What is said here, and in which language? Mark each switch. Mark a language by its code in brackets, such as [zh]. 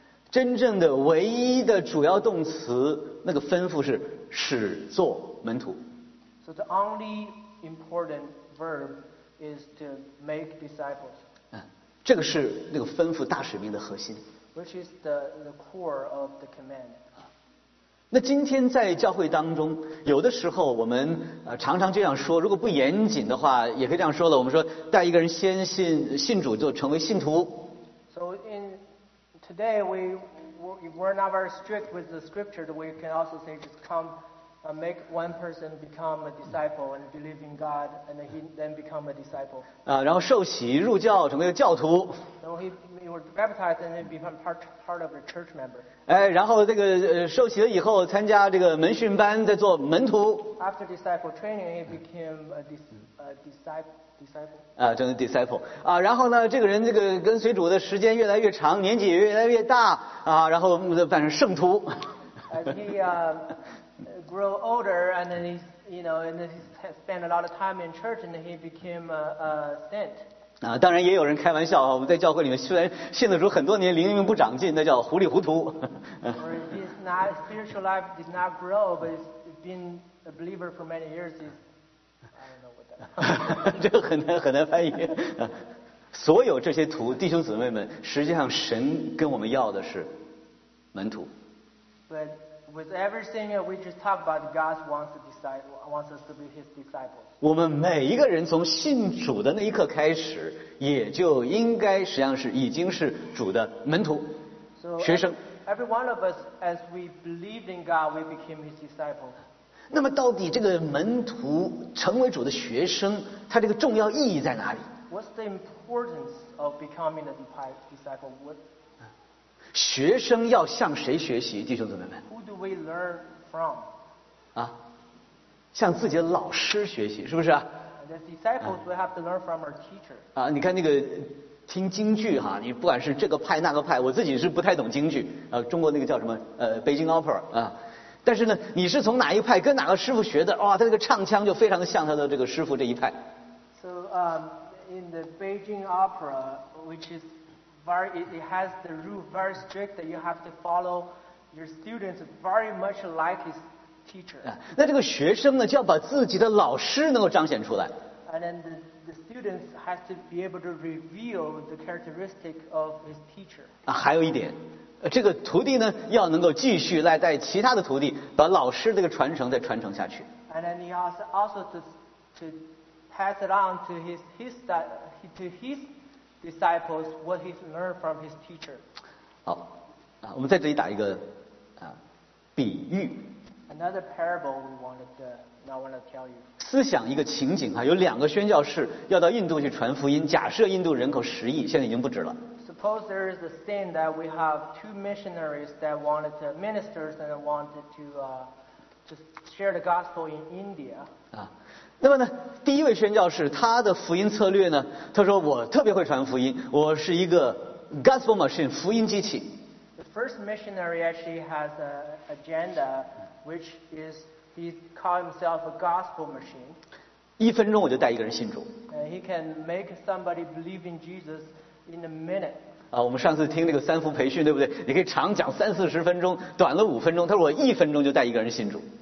[zh] 真正的唯一的主要动词那个吩咐是使作门徒。 [en] So the only important verb is to make disciples. [zh] 这个是那个吩咐大使命的核心。 [en] Which is the core of the command. [zh] 那今天在教会当中，有的时候我们常常这样说，如果不严谨的话，也可以这样说了。我们说带一个人先信主就成为信徒。 [en] So in today we're not very strict with the scripture. We can also say just come make one person become a disciple and believe in God and he then become a disciple. [zh] 啊，然后受洗入教成为教徒。 [en] You were baptized and become part of a church member. [zh] 哎，然后这个受洗了以后，参加这个门训班，再做门徒。 [en] After disciple training, he became a disciple. [zh] 啊，成为 disciple 啊，然后呢，这个人这个跟随主的时间越来越长，年纪也越来越大啊，然后变成圣徒。 [en] As he grew older and then he spent a lot of time in church and he became a saint. [zh] 啊，当然也有人开玩笑啊，我们在教会里面虽然信了主很多年，灵命不长进，那叫糊里糊涂。 [en] Or his spiritual life did not grow, but he's been a believer for many years. I don't know what that. [zh] 这个很难翻译。所有这些徒弟兄姊妹们，实际上神跟我们要的是门徒。 [en] But with everything we just talked about, God wants us to be His disciples. [zh] 我们每一个人从信主的那一刻开始，也就应该实际上是已经是主的门徒、学生。 [en] Every one of us, as we believed in God, we became His disciples. [zh] 那么到底这个门徒成为主的学生，它这个重要意义在哪里 [en] ？What's the importance of becoming a disciple? [zh] 学生要向谁学习，弟兄姊妹们 [en] ？Who do we learn from? [zh] 啊，向自己的老师学习，是不是、啊、 [en] ？The disciples we have to learn from our teacher. [zh] 啊，你看那个听京剧哈、啊，你不管是这个派那个派，我自己是不太懂京剧，中国那个叫什么？北京 opera 啊。但是呢，你是从哪一派跟哪个师傅学的？哇、哦，他这个唱腔就非常的像他的这个师傅这一派。 [en] So in the Beijing opera, which is it has the rule very strict that you have to follow your students very much like his teacher. [zh] 那这个学生呢，就要把自己的老师能够彰显出来。 [en] And then the students have to be able to reveal the characteristic of his teacher. [zh] 啊，还有一点，这个徒弟呢，要能够继续来带其他的徒弟，把老师这个传承再传承下去。 [en] And then he also to pass it on to his disciples what he's learned from his teacher. [zh] 好，啊，我们在这里打一个啊比喻。 [en] Another parable we wanted to, not want to tell you. [zh] 思想一个情景啊，有两个宣教士要到印度去传福音。假设印度人口10亿，现在已经不止了。 [en] Suppose there is a scene that we have two missionaries that wanted to ministers and wanted to share the gospel in India. [zh] 啊，那么呢，第一位宣教士他的福音策略呢？他说我特别会传福音，我是一个 [en] gospel machine [zh] 福音机器。 [en] The first missionary actually has an agenda. Which is he call himself a gospel machine. [zh] 一分钟我就带一个人信主。 [en] And he can make somebody believe in Jesus in a minute. [zh] 啊，我们上次听那个三福培训，对不对？你可以长讲30-40分钟，短了5分钟。他说我一分钟就带一个人信主。